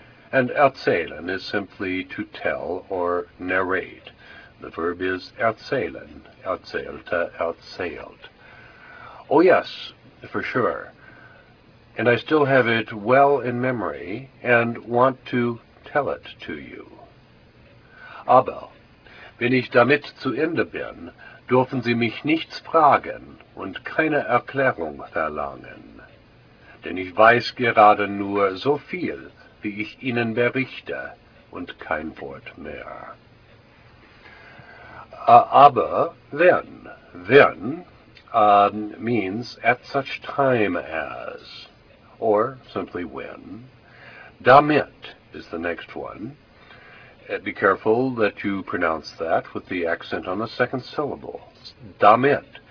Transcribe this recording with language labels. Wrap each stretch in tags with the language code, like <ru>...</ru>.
<en>And erzählen is simply to tell or narrate. The verb is erzählen, erzählte, erzählt. Oh yes, for sure. And I still have it well in memory and want to tell it to you.</en> <de>Aber, wenn ich damit zu Ende bin, dürfen Sie mich nichts fragen und keine Erklärung verlangen. Denn ich weiß gerade nur so viel, wie ich Ihnen berichte, und kein Wort mehr.</de> <en>Aber, wenn, means at such time as, or simply when. Damit is the next one. Be careful that you pronounce that with the accent on the second syllable. Damit.</en>